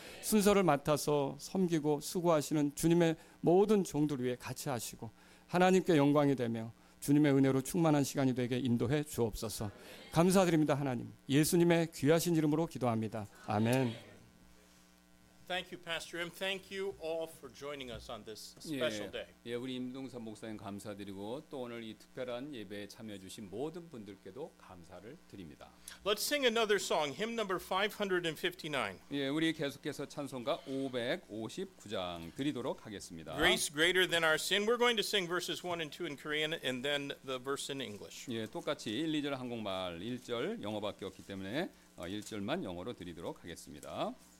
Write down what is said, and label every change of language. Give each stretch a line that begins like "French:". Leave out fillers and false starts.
Korean: 순서를 맡아서 섬기고 수고하시는 주님의 모든 종들 위해 같이 하시고 하나님께 영광이 되며 주님의 은혜로 충만한 시간이 되게 인도해 주옵소서. 감사드립니다. 하나님 예수님의 귀하신 이름으로 기도합니다. 아멘.
English: Thank you, Pastor Eum. Thank you all for joining us on this special day.
Korean: 예, 우리 임동선 목사님 감사드리고 또 오늘 이 특별한 예배에 참여해 주신 모든 분들께도 감사를 드립니다.
English: Let's sing another song, hymn number 559.
Korean: 예, 우리 계속해서 찬송가 559장 드리도록 하겠습니다.
English: Grace greater than our sin. We're going to sing verses 1 and 2 in Korean and then the verse in English.
Korean: 예, 똑같이 1, 2절 한국말, 1절 영어밖에 없기 때문에 1절만 영어로 드리도록 하겠습니다.